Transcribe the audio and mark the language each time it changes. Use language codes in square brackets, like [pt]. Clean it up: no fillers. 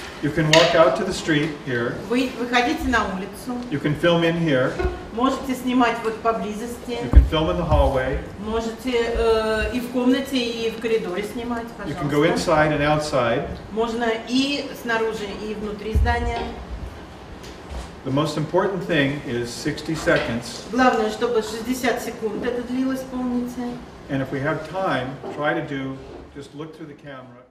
[en] You can walk out to the street here. [ru] Выходите на улицу. [en] You can film in here. [ru] Можете снимать вот поблизости. [en] You can film in the hallway. [ru] Можете и в комнате, и в коридоре снимать, пожалуйста. [en] You can go inside and outside. [ru] Можно и снаружи, и внутри здания. [en] The most important thing is 60 seconds. [ru] Главное, чтобы 60 секунд это длилось, помните. [en] And if we have time, try to do, just look through the camera.